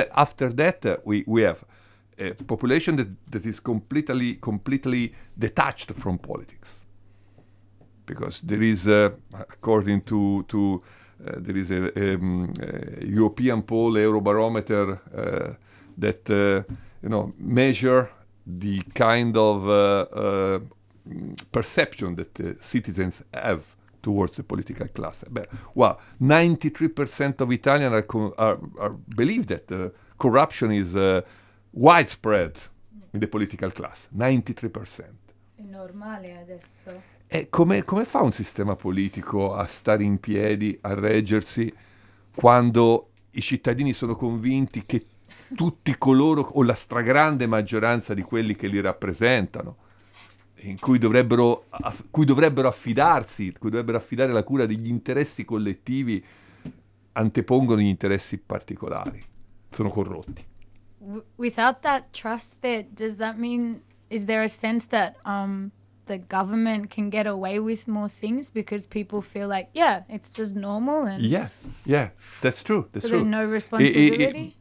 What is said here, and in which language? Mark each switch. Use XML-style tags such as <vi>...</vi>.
<en>But after that, we have a population that is completely detached from politics, because there is, according to there is a European poll, Eurobarometer, that measure the kind of perception that citizens have towards the political class. Well, 93% of Italians believe that corruption is widespread in the political class. 93%.</en> <it>È normale adesso. E come fa un sistema politico a stare in piedi, a reggersi, quando i cittadini sono convinti che tutti coloro, o la stragrande maggioranza di quelli che li rappresentano, in cui dovrebbero affidare la cura degli interessi collettivi, antepongono gli interessi particolari, sono corrotti.</it> <en>Without that trust, does that mean, is there a sense that the government can get away with more things because people feel like, yeah, it's just normal? And yeah, that's true. That's so true. There's no responsibility.</en>